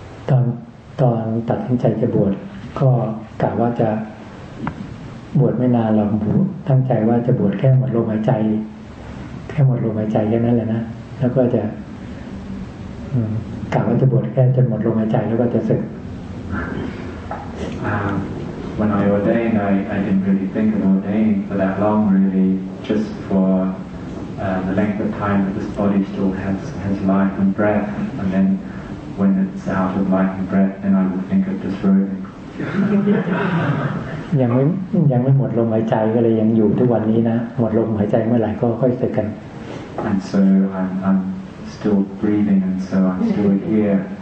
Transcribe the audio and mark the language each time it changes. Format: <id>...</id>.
<th>ตอนตัดสินใจจะบวชก็กะว่าจะบวชไม่นานหรอกตั้งใจว่าจะบวชแค่หมดลมหายใจแค่นั้นแหละนะแล้วก็จะกะว่าจะบวชแค่จนหมดลมหายใจแล้วก็จะศึก</th> <en>When I ordained, I didn't really think of ordaining for that long, really, just for the length of time that this body still has life and breath. And then, when it's out of life and breath, then I would think of disrobing.</en> <th>ยังไม่หมดลมหายใจก็เลยยังอยู่ทุกวันนี้นะหมดลมหายใจเมื่อไหร่ก็ค่อยศึกกัน</th> <en>And so I'm still breathing, and so I'm still here.</en>